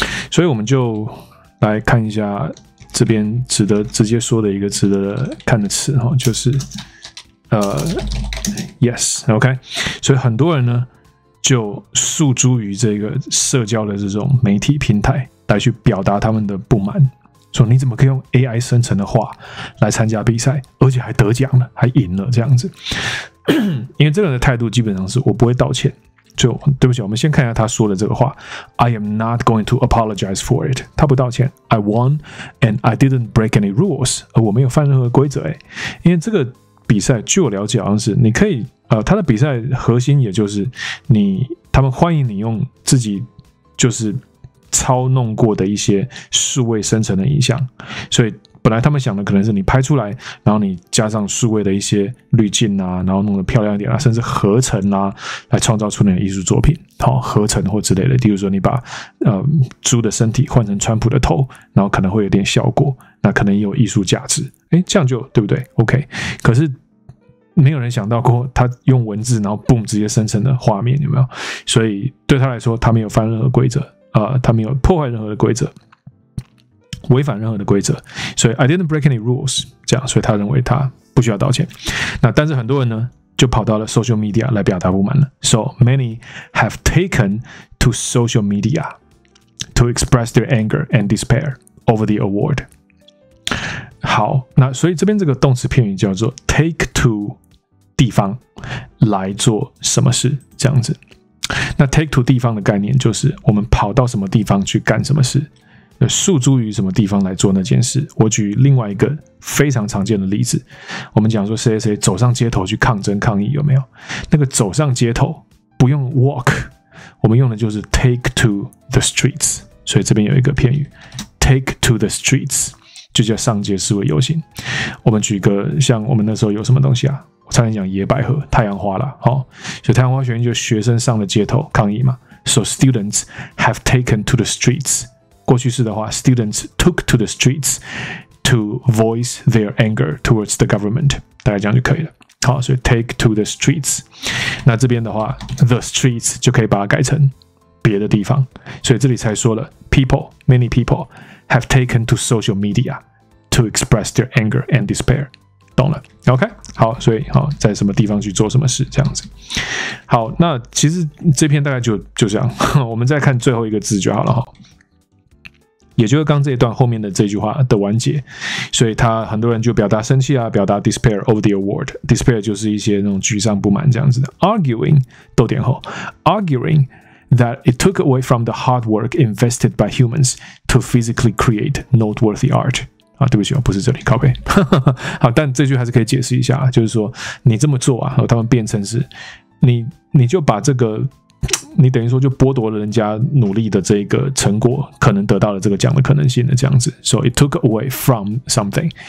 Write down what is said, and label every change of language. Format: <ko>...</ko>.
<zh>所以我们就来看一下这边值得直接说的一个值得看的词，就是yes， OK， 所以很多人呢就诉诸于这个社交的这种媒体平台来去表达他们的不满，说你怎么可以用 AI 生成的话来参加比赛，而且还得奖了，还赢了这样子。因为这个人的态度基本上是我不会道歉，就对不起，我们先看一下他说的这个话。</zh> <en>I am not going to apologize for it，</en> <zh>他不道歉。</zh> <en>I won and I didn't break any rules，</en> <zh>我没有犯任何规则，因为这个比赛据我了解好像是你可以他的比赛核心也就是你他们欢迎你用自己就是操弄过的一些数位生成的影像，所以本来他们想的可能是你拍出来，然后你加上数位的一些滤镜啊，然后弄得漂亮一点啊，甚至合成啊，来创造出你的艺术作品，好，合成或之类的。比如说你把猪的身体换成川普的头，然后可能会有点效果，那可能也有艺术价值。哎，这样就对不对 ？OK， 可是没有人想到过他用文字，然后 boom 直接生成的画面，有没有？所以对他来说，他没有犯任何规则。他没有破坏任何的规则，违反任何的规则，所以</zh> <en>I didn't break any rules，</en> <zh>这样，所以他认为他不需要道歉。那但是很多人呢就跑到了 social media 来表达不满了，</zh> <en>so many have taken to social media to express their anger and despair over the award。</en> <zh>好，那所以这边这个动词片语叫做 take to 地方来做什么事，这样子。那 take to 地方的概念就是我们跑到什么地方去干什么事，诉诸于什么地方来做那件事。我举另外一个非常常见的例子，我们讲说谁谁走上街头去抗争抗议，有没有？那个走上街头不用 walk， 我们用的就是</zh> <en>take to the streets，</en> <zh>所以这边有一个片语 take to the streets， 就叫上街示威游行。我们举个像我们那时候有什么东西啊，差点讲野百合、太阳花啦、哦、所以太阳花学院就学生上了街头抗议嘛。</zh> <en>So students have taken to the streets.</en> <zh>过去式的话</zh> <en>，students took to the streets to voice their anger towards the government.</en> <zh>大概这样就可以了。好，所以 take to the streets， 那这边的话 ，the streets 就可以把它改成别的地方，所以这里才说了 ，</zh> <en>people many people have taken to social media to express their anger and despair，</en> <zh>懂了 ？OK， 好，所以好在什么地方去做什么事这样子。好，那其实这篇大概就这样，我们再看最后一个字就好了哈。也就是刚这一段后面的这句话的完结，所以他很多人就表达生气啊，表达</zh> <en>despair over the award，</en> <zh>despair 就是一些那种沮丧不满这样子的。</zh> <en>Arguing 逗点后 ，arguing that it took away from the hard work invested by humans to physically create noteworthy art</en> <zh>啊，对不起，不是这里，靠背。好，但这句还是可以解释一下，就是说你这么做啊，他们变成是你就把这个。你等于说就剥夺了人家努力的这个成果，可能得到了这个奖的可能性的这样子。</zh> <en>So it took away from something.</en>